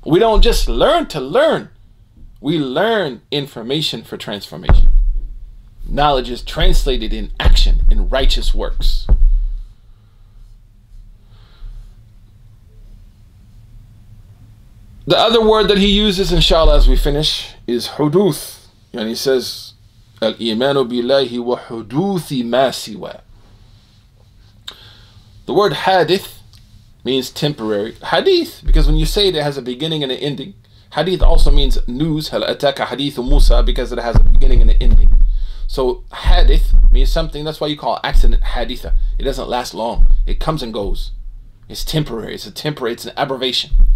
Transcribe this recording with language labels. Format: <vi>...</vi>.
<en>We don't just learn to learn. We learn information for transformation. Knowledge is translated in action, in righteous works. The other word that he uses, inshallah, as we finish, is huduth. And he says,</en> <ar>الإيمان بالله وحدوث ما سوى.</ar> <en>The word hadith means temporary. Hadith, because when you say it, it has a beginning and an ending. Hadith also means news.</en> <ar>هل أتاك حديث موسى,</ar> <en>because it has a beginning and an ending. So hadith means something. That's why you call accident haditha. It doesn't last long. It comes and goes. It's temporary. It's a temporary. It's an abbreviation.</en>